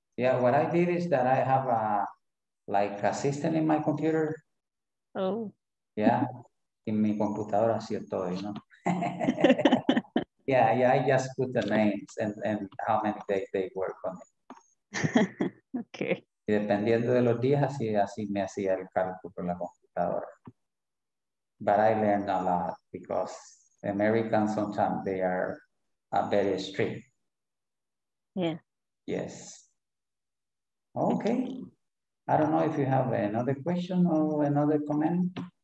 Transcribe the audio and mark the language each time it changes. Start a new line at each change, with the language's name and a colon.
English: Yeah, what I did is that I have a like assistant in my computer. Oh. Yeah. In
Spanish: mi computadora, cierto,
English: you know. Yeah, I just put the names and how many days they work on it. Okay.
Spanish: Y dependiendo de los días, así me hacía el cálculo por la computadora.
English: But I learned a lot because Americans sometimes they are very strict. Yeah. Yes. Okay. I don't know if you have another question or another comment.